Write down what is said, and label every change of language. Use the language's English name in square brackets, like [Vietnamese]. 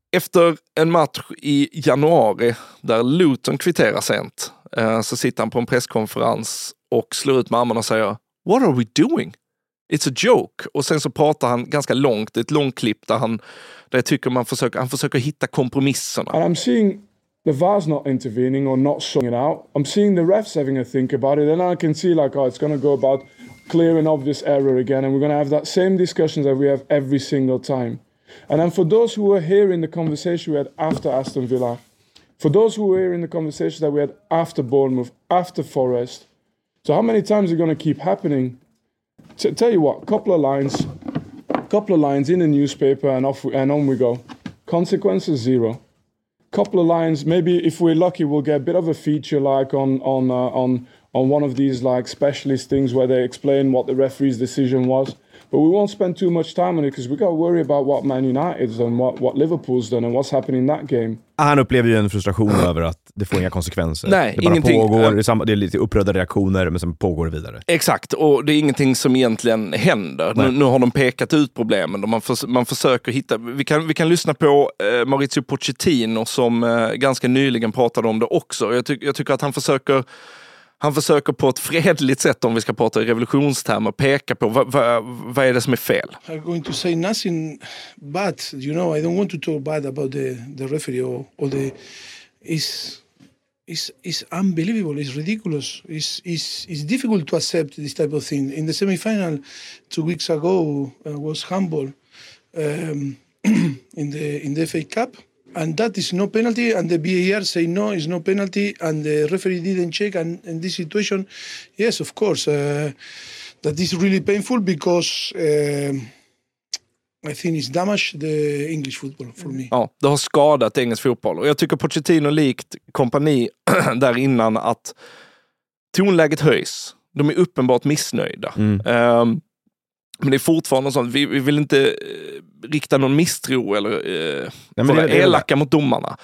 [Swedish] Efter en match i januari där Luton kvitterar sent, så sitter han på en presskonferens och slår ut med armarna och säger [English] "What are we doing? It's a joke." [Swedish] Och sen så pratar han ganska långt, ett långt klipp där han där jag tycker man försöker han försöker hitta kompromisserna. [English] And I'm seeing the VAR's not intervening or not showing it out. I'm seeing the refs having a think about it. Then I can see like, oh, it's going to go about clear and obvious error again, and we're going to have that same discussion that we have every single time. And then for those who were here in the conversation we had after Aston Villa, for those who were here in the conversation that we had after Bournemouth, after Forest, so how many times are you going to keep happening? Tell you what, couple of lines in the newspaper and off and on we go. Consequences zero. Couple of lines, maybe if we're lucky, we'll get a bit of a feature like on one of these like specialist things where they explain what the referee's decision was. But we won't spend too much time on it because we got to worry about what Man United's done, what Liverpool's done and what's happening in that game. [Swedish] Han upplever ju en frustration över att det får inga konsekvenser. Nej, det bara ingenting. Pågår, det är lite upprörda reaktioner men sen pågår det vidare. Exakt, och det är ingenting som egentligen händer. Nu har de pekat ut problemen. Man försöker hitta... Vi kan lyssna på Maurizio Pochettino som ganska nyligen pratade om det också. Jag tycker att han försöker på ett fredligt sätt, om vi ska prata i revolutionstermer, peka på vad är det som är fel. [English] I'm going to say nothing bad, you know, I don't want to talk bad about the referee or the is unbelievable, it's ridiculous. It's difficult to accept this type of thing. In the semifinal 2 weeks ago was handball in the FA Cup. And that is no penalty, and the VAR say no, it's no penalty, and the referee didn't check, and in this situation, yes, of course, that is really painful because I think it's damaged the English football for me. [Swedish] Ja, det har skadat engelsk fotboll, och jag tycker Pochettino likt Kompany där innan att tonläget höjs, de är uppenbart missnöjda. Mm. Men det är fortfarande sånt, vi vill inte rikta någon misstro eller elaka mot domarna.